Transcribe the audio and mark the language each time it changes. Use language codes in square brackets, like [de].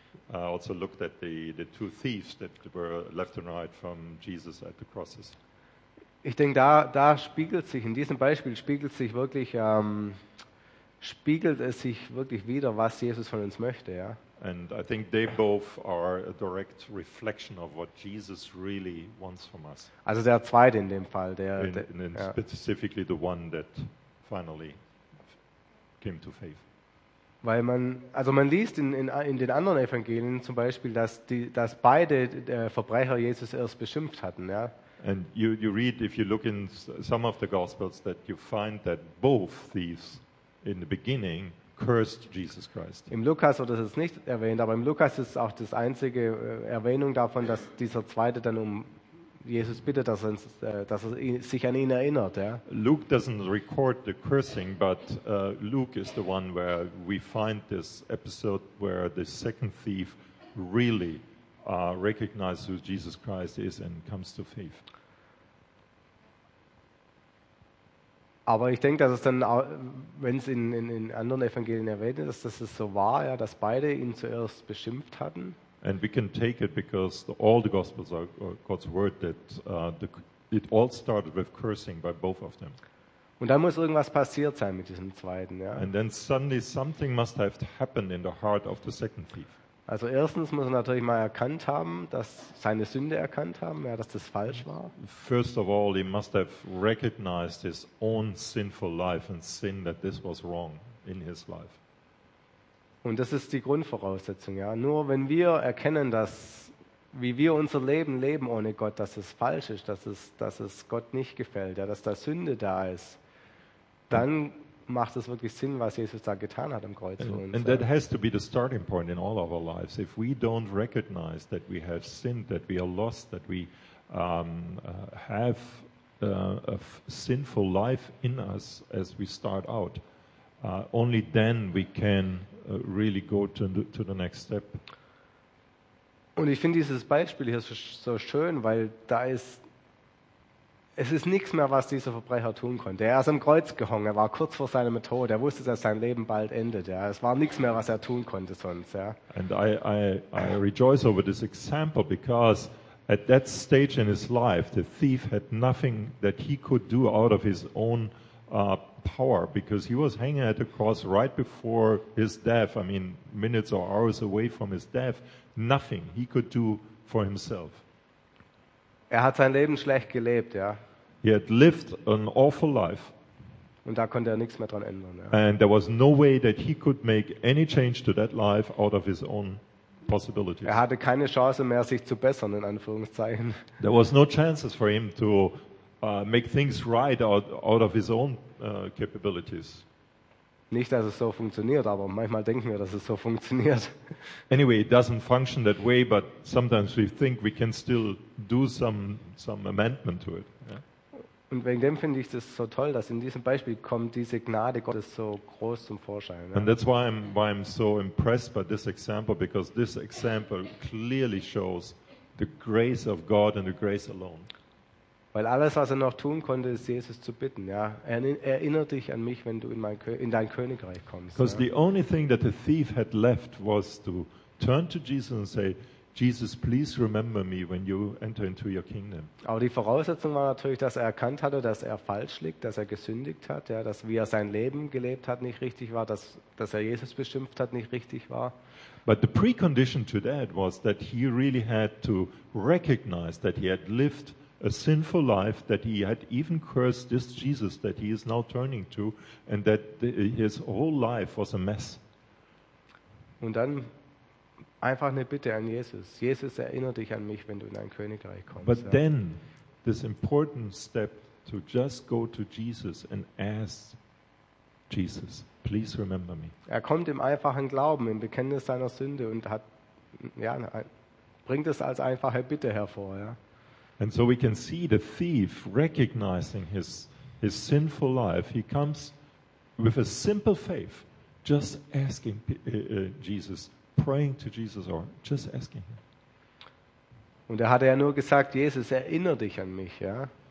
[en] Also looked at the two thieves that were left and right from Jesus at the crosses. [de] Ich denke, da spiegelt sich in diesem Beispiel spiegelt es sich wirklich wieder, was Jesus von uns möchte, ja. [en] And I think they both are a direct reflection of what Jesus really wants from us. [de] Also der zweite in dem Fall, [en] specifically the one that finally came to faith. [de] Weil man liest in den anderen Evangelien zum Beispiel, dass beide Verbrecher Jesus erst beschimpft hatten, ja. [en] And you read, if you look in some of the Gospels, that you find that both thieves in the beginning cursed Jesus Christ. [de] Im Lukas wird es nicht erwähnt, aber im Lukas ist auch das einzige Erwähnung davon, dass dieser zweite dann um Jesus bittet, dass er sich an ihn erinnert. Ja. [en] Luke doesn't record the cursing, but Luke is the one where we find this episode where the second thief really recognizes who Jesus Christ is and comes to faith. [de] Aber ich denke, dass es dann, wenn es in anderen Evangelien erwähnt ist, dass es so war, ja, dass beide ihn zuerst beschimpft hatten. [en] And we can take it because all the Gospels are God's word that it all started with cursing by both of them. [de] Und dann muss irgendwas passiert sein mit diesem zweiten, ja. [en] And then suddenly something must have happened in the heart of the second thief. [de] Also erstens muss er natürlich mal erkannt haben, dass seine Sünde erkannt haben, ja, dass das falsch war. [en] First of all, he must have recognized his own sinful life and seen that this was wrong in his life. [de] Und das ist die Grundvoraussetzung, ja. Nur wenn wir erkennen, dass wie wir unser Leben leben ohne Gott, dass es falsch ist, dass es Gott nicht gefällt, ja, dass da Sünde da ist, dann macht es wirklich Sinn, was Jesus da getan hat am Kreuz für uns. [en] And that has to be the starting point in all of our lives. If we don't recognize that we have sinned, that we are lost, that we have a sinful life in us as we start out, Only then we can really go to the next step. [de] Und ich finde dieses Beispiel hier so schön, weil da ist, es ist nichts mehr, was dieser Verbrecher tun konnte. Er ist am Kreuz gehangen, er war kurz vor seinem Tod, er wusste, dass sein Leben bald endet. Ja. Es war nichts mehr, was er tun konnte sonst. Ja. [en] And I rejoice over this example, because at that stage in his life, the thief had nothing that he could do out of his own power, because he was hanging at the cross right before his death. I mean, minutes or hours away from his death, nothing he could do for himself. [de] Er hat sein Leben schlecht gelebt, ja. [en] He had lived an awful life. [de] Und da konnte er nichts mehr dran ändern. Ja. [en] And there was no way that he could make any change to that life out of his own possibilities. [de] Er hatte keine Chance mehr, sich zu bessern, in Anführungszeichen. [en] There was no chances for him to make things right out of his own capabilities. [de] Nicht, dass es so funktioniert, aber manchmal denken wir, dass es so funktioniert. [en] Anyway, it doesn't function that way, but sometimes we think we can still do some amendment to it. Yeah? [de] Und wegen dem finde ich das so toll, dass in diesem Beispiel kommt diese Gnade Gottes so groß zum Vorschein. [en] And that's why I'm so impressed by this example, because this example clearly shows the grace of God and the grace alone. [de] Weil alles, was er noch tun konnte, ist Jesus zu bitten. Ja, erinnere dich an mich, wenn du in dein Königreich kommst. [en] Because the only thing that the thief had left was to turn to Jesus and say, Jesus, please remember me when you enter into your kingdom. [de] Aber die Voraussetzung war natürlich, dass er erkannt hatte, dass er falsch liegt, dass er gesündigt hat, ja, dass wie er sein Leben gelebt hat nicht richtig war, dass er Jesus beschimpft hat nicht richtig war. [en] But the precondition to that was that he really had to recognize that he had lived a sinful life, that he had even cursed this Jesus that he is now turning to, and that his whole life was a mess. [de] Und dann einfach eine Bitte an Jesus. Jesus, erinnere dich an mich, wenn du in dein Königreich kommst. [en] But then, this important step to just go to Jesus and ask Jesus, please remember me. [de] Er kommt im einfachen Glauben, im Bekenntnis seiner Sünde und hat, ja, bringt es als einfache Bitte hervor, ja. [en] And so we can see the thief recognizing his sinful life. He comes with a simple faith, just asking Jesus, praying to Jesus, or just asking him. [de] Und er hatte ja nur gesagt, Jesus, erinnere dich an mich, ja.